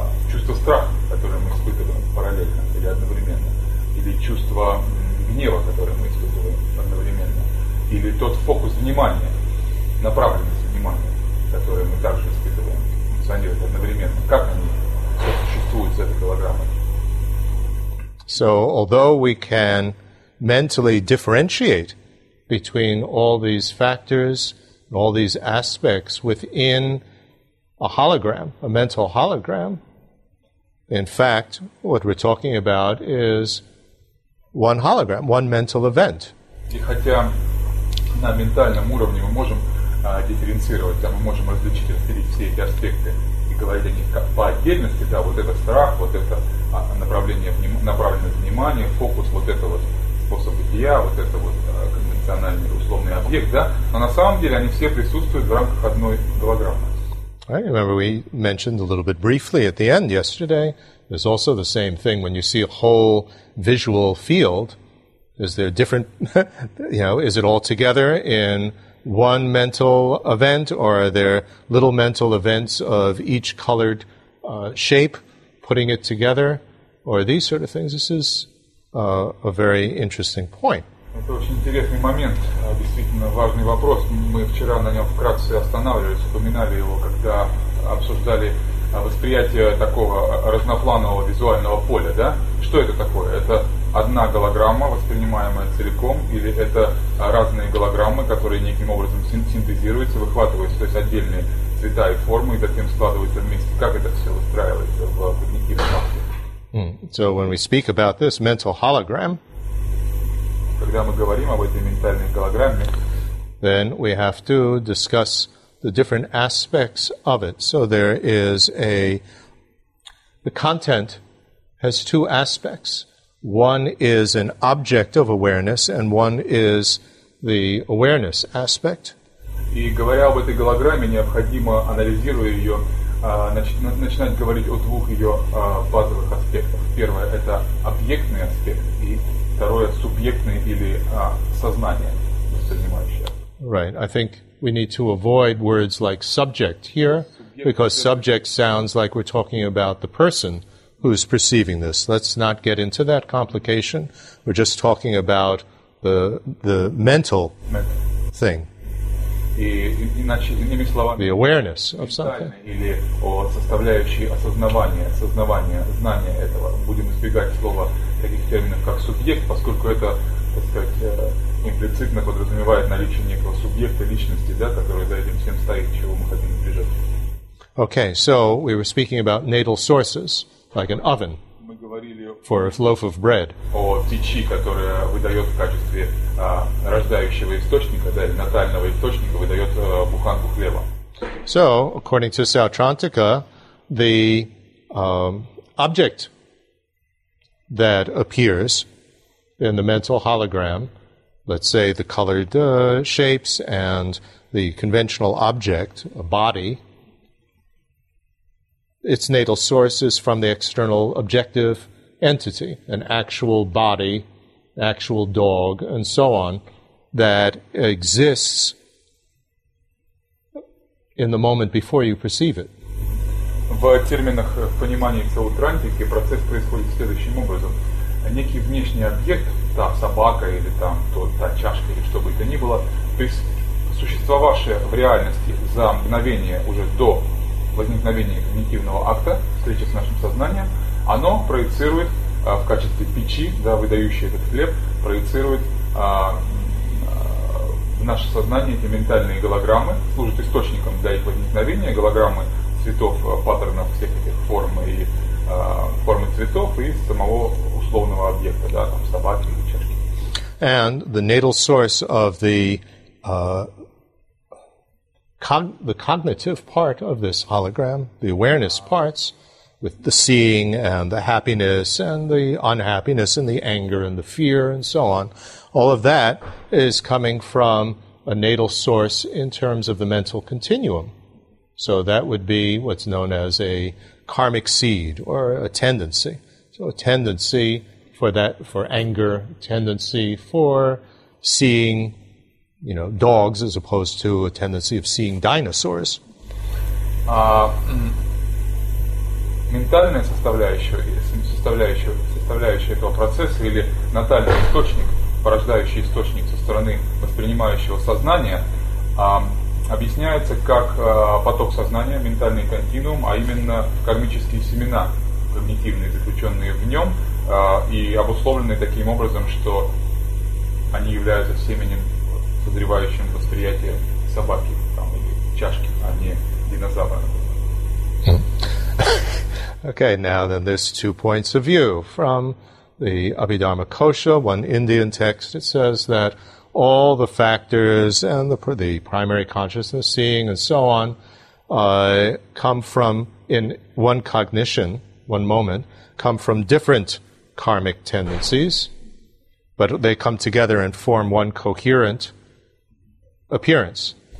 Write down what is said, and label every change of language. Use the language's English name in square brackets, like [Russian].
[Russian] чувство страха, которое мы испытываем параллельно или одновременно, или чувство гнева, которое мы испытываем одновременно, или тот фокус внимания, направленность внимания, которую мы также испытываем, функционирует одновременно. Как они сосуществуют с этой голограммой? [English] So, although we can mentally differentiate between all these factors, all these aspects within a hologram, a mental hologram, in fact, what we're talking about is one hologram, one mental event. [Russian] И хотя на ментальном уровне мы можем дифференцировать, мы можем различить, разделить все эти аспекты и говорить о них как по отдельности, да, вот это страх, вот это направленность внимания, фокус, вот это вот способ бытия, вот это вот конвенциональный условный объект, да, но на самом деле они все присутствуют в рамках одной голограммы. [English] I remember we mentioned a little bit briefly at the end yesterday, there's also the same thing when you see a whole visual field. Is there different, you know, is it all together in one mental event, or are there little mental events of each colored shape putting it together, or these sort of things? This is a very interesting point. [Russian] Это очень интересный момент, действительно важный вопрос. Мы вчера на нем вкратце останавливались, упоминали его, когда обсуждали восприятие такого разнопланового визуального поля, да? Что это такое? Это одна голограмма, воспринимаемая целиком, или это разные голограммы, которые неким образом синтезируются, выхватываются, то есть отдельные цвета и формы, и затем складываются вместе. Как это все выстраивается в когнитивном акте? [English] So when we speak about this mental hologram, [Russian] когда мы говорим об этой ментальной голограмме, [English] then we have to discuss the different aspects of it. So there is the content has two aspects. One is an object of awareness, and one is the awareness aspect. [Russian] И говоря об этой голограмме, необходимо, анализируя ее, начинать говорить о двух ее базовых аспектах. Первое – это объектный аспект, и второе – субъектный или сознание, воспринимающее. [English] Right. I think we need to avoid words like subject here, because subject sounds like we're talking about the person who's perceiving this. Let's not get into that complication. We're just talking about the mental thing. [Russian] Иными словами, [English] the awareness of something. [Russian] Или о составляющей осознавания, знания этого. Будем избегать слова таких терминов, как субъект, поскольку это, так сказать, имплицитно подразумевает наличие некого субъекта, личности, да, который за этим всем стоит, чего мы хотим избежать. [English] Okay, so we were speaking about natal sources. Like an oven for a loaf of bread. [Russian] О печи, которая выдает в качестве рождающего источника, да, или натального источника, выдает буханку хлеба. [English] So, according to Sautrantika, the object that appears in the mental hologram, let's say the colored shapes and the conventional object, a body, its natal source is from the external objective entity, an actual body, actual dog, and so on, that exists in the moment before you perceive it. [Russian] В терминах понимания Сауттрантики процесс происходит следующим образом. Некий внешний объект, та собака или там та чашка или что бы это ни было, то есть существовавшее в реальности за мгновение уже до возникновение когнитивного акта, встреча с нашим сознанием, оно проецирует в качестве печи, да, выдающей этот хлеб, проецирует в наше сознание эти ментальные голограммы, служат источником для их возникновения, голограммы цветов, паттернов всех этих форм и формы цветов и самого условного объекта, да, там собаки или чашки. [English] And the natal source of the cognitive part of this hologram, the awareness parts, with the seeing and the happiness and the unhappiness and the anger and the fear and so on, all of that is coming from a natal source in terms of the mental continuum. So that would be what's known as a karmic seed or a tendency. So a tendency for that, for anger, tendency for seeing, you know, dogs, as opposed to a tendency of seeing dinosaurs. Ментальная составляющая этого процесса или натальный источник, порождающий источник со стороны воспринимающего сознания, объясняется как поток сознания, ментальный континуум, а именно кармические семена, когнитивные, заключенные в нем, и обусловленные таким образом, что они являются семенем, созревающим восприятие собаки там, или чашки, а не динозавра. Okay, now then there's two points of view. From the Abhidharma Kosha, one Indian text, it says that all the factors and the primary consciousness, seeing and so on, come from, in one cognition, one moment, come from different karmic tendencies, but they come together and form one coherent appearance.